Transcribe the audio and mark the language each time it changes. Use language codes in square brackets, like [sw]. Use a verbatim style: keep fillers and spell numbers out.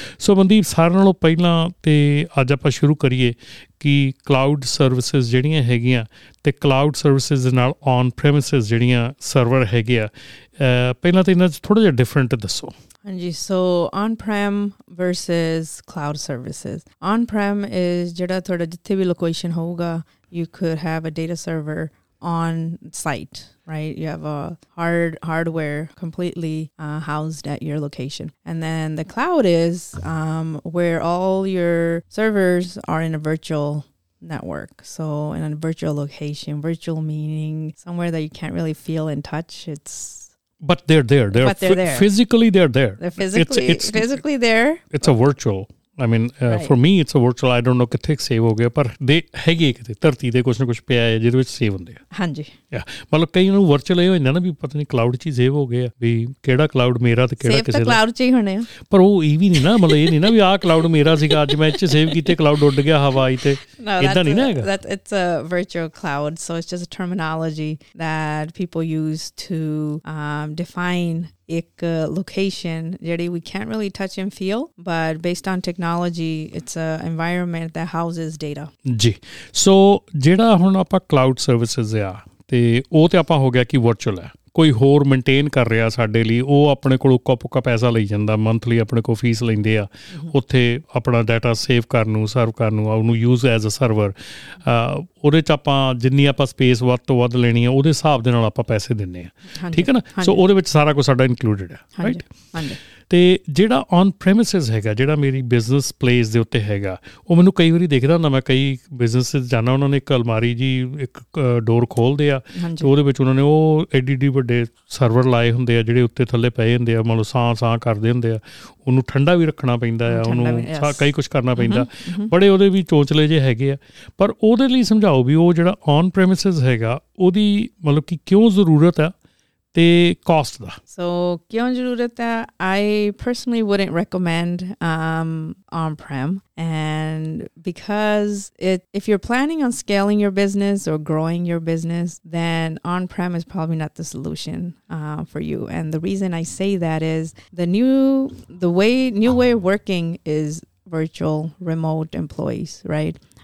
[pa] ਸੋ ਮਨਦੀਪ, ਸਾਰਿਆਂ ਨਾਲੋਂ ਪਹਿਲਾਂ ਤਾਂ ਅੱਜ ਆਪਾਂ ਸ਼ੁਰੂ ਕਰੀਏ ਕਿ ਕਲਾਊਡ ਸਰਵਿਸਿਜ਼ ਜਿਹੜੀਆਂ ਹੈਗੀਆਂ ਅਤੇ ਕਲਾਊਡ ਸਰਵਿਸਿਜ਼ ਦੇ ਨਾਲ ਔਨ ਪ੍ਰੈਮਿਸਿਸ ਜਿਹੜੀਆਂ ਸਰਵਰ ਹੈਗੇ ਆ, ਪਹਿਲਾਂ ਤਾਂ ਇਹਨਾਂ 'ਚ ਥੋੜ੍ਹਾ ਜਿਹਾ ਡਿਫਰੈਂਟ ਦੱਸੋ। ਹਾਂਜੀ, so on prem versus cloud services. [en] on prem is [pa] ਜਿਹੜਾ ਤੁਹਾਡਾ ਜਿੱਥੇ ਵੀ ਲੋਕੇਸ਼ਨ ਹੋਊਗਾ, [en] You could have a data server on site, right? You have a hard hardware completely uh, housed at your location. And then the cloud is um, where all your servers are in a virtual network. So in a virtual location, virtual meaning somewhere that you can't really feel and touch. It's But they're there. They're, but they're f- there. Physically they're there. They're physically, it's, it's, physically there. It's a virtual. I mean, uh, right. For me, it's a virtual. I don't know [pa] ਕਿੱਥੇ save ਹੋ ਗਿਆ, ਪਰ ਦੇ ਹੈਗੇ ਕਿਤੇ ਧਰਤੀ 'ਤੇ ਕੁਛ ਨਾ ਕੁਛ ਪਿਆ ਹੈ ਜਿਹਦੇ ਵਿੱਚ ਸੇਵ ਹੁੰਦੇ ਆ। ਹਾਂਜੀ, ਯਾ ਮਤਲਬ ਕਈ ਨੂੰ ਵਰਚੁਅਲ ਇਹ ਹੋ ਜਾਂਦਾ ਨਾ ਵੀ ਪਤਾ ਨਹੀਂ ਕਲਾਊਡ 'ਚ ਹੀ ਸੇਵ ਹੋ ਗਏ ਆ, ਵੀ ਕਿਹੜਾ ਕਲਾਊਡ ਮੇਰਾ ਅਤੇ ਕਿਹੜਾ ਕਿਸੇ ਦਾ। ਕਲਾਊਡ 'ਚ ਹੀ ਹੋਣੇ ਆ, ਪਰ ਉਹ ਇਹ ਵੀ ਨਹੀਂ ਨਾ, ਮਤਲਬ ਇਹ ਨਹੀਂ ਨਾ ਵੀ ਆਹ ਕਲਾਊਡ ਮੇਰਾ ਸੀਗਾ, ਅੱਜ ਮੈਂ ਇਹ 'ਚ ਸੇਵ ਕੀਤੇ, ਕਲਾਊਡ ਉੱਡ ਗਿਆ ਹਵਾਈ 'ਤੇ, ਇੱਦਾਂ ਨਹੀਂ ਨਾ ਹੈਗਾ। [en] It's a virtual cloud, so it's just a terminology that people use to um, define [pa] ਇੱਕ [en] location [pa] ਜਿਹੜੀ [en] we can't really touch and feel, but based on technology it's a environment that houses data. [pa] ਜੀ, ਸੋ ਜਿਹੜਾ ਹੁਣ ਆਪਾਂ cloud services ਆ ਤੇ ਉਹ ਤੇ ਆਪਾਂ ਹੋ ਗਿਆ ਕਿ ਵਰਚੁਅਲ ਹੈ, ਕੋਈ ਹੋਰ ਮੇਨਟੇਨ ਕਰ ਰਿਹਾ ਸਾਡੇ ਲਈ, ਉਹ ਆਪਣੇ ਕੋਲ ਉੱਕਾ ਪੁੱਕਾ ਪੈਸਾ ਲਈ ਜਾਂਦਾ, ਮੰਥਲੀ ਆਪਣੇ ਕੋਲ ਫੀਸ ਲੈਂਦੇ ਆ, ਉੱਥੇ ਆਪਣਾ ਡਾਟਾ ਸੇਵ ਕਰਨ ਨੂੰ, ਸਰਵ ਕਰਨ ਨੂੰ, ਉਹਨੂੰ [en] use as a server, [pa] ਉਹਦੇ 'ਚ ਆਪਾਂ ਜਿੰਨੀ ਆਪਾਂ ਸਪੇਸ ਵੱਧ ਤੋਂ ਵੱਧ ਲੈਣੀ ਆ ਉਹਦੇ ਹਿਸਾਬ ਦੇ ਨਾਲ ਆਪਾਂ ਪੈਸੇ ਦਿੰਦੇ ਹਾਂ, ਠੀਕ ਹੈ ਨਾ। ਸੋ ਉਹਦੇ ਵਿੱਚ ਸਾਰਾ ਕੁਛ ਸਾਡਾ ਇਨਕਲੂਡਡ ਹੈ, ਰਾਈਟ। ਅਤੇ ਜਿਹੜਾ ਔਨ ਪ੍ਰੈਮਿਸਿਸ ਹੈਗਾ, ਜਿਹੜਾ ਮੇਰੀ ਬਿਜ਼ਨਸ ਪਲੇਸ ਦੇ ਉੱਤੇ ਹੈਗਾ, ਉਹ ਮੈਨੂੰ ਕਈ ਵਾਰੀ ਦੇਖਦਾ ਹੁੰਦਾ, ਮੈਂ ਕਈ ਬਿਜ਼ਨਸ 'ਚ ਜਾਂਦਾ, ਉਹਨਾਂ ਨੇ ਇੱਕ ਅਲਮਾਰੀ ਜੀ, ਇੱਕ ਡੋਰ ਖੋਲ੍ਹਦੇ ਆ ਅਤੇ ਉਹਦੇ ਵਿੱਚ ਉਹਨਾਂ ਨੇ ਉਹ ਐਡੀ ਐਡੀ ਵੱਡੇ ਸਰਵਰ ਲਾਏ ਹੁੰਦੇ ਆ ਜਿਹੜੇ ਉੱਤੇ ਥੱਲੇ ਪਏ ਹੁੰਦੇ ਆ, ਮੰਨ ਲਓ ਸਾਂ ਸਾਂ ਕਰਦੇ ਹੁੰਦੇ ਆ, ਉਹਨੂੰ ਠੰਡਾ ਵੀ ਰੱਖਣਾ ਪੈਂਦਾ ਆ, ਉਹਨੂੰ ਕਈ ਕੁਛ ਕਰਨਾ ਪੈਂਦਾ, ਬੜੇ ਉਹਦੇ ਵੀ ਚੋਚਲੇ ਜਿਹੇ ਹੈਗੇ ਆ। ਪਰ ਉਹਦੇ ਲਈ ਸਮਝਾਓ ਵੀ ਉਹ ਜਿਹੜਾ ਔਨ ਪ੍ਰੈਮਿਸਿਸ ਹੈਗਾ ਉਹਦੀ ਮਤਲਬ ਕਿ ਕਿਉਂ ਜ਼ਰੂਰਤ ਆ ਤੇ ਕਾਸਟ ਦਾ। So, ਕਿਉਂ ਜ਼ਰੂਰਤ ਹੈ? [en] I personally wouldn't recommend um, on-prem, and because it, if you're planning on scaling your business or growing your business, then on-prem is probably not the solution uh, for you. And the reason I say that is the new the way new way of working is virtual, remote employees, right?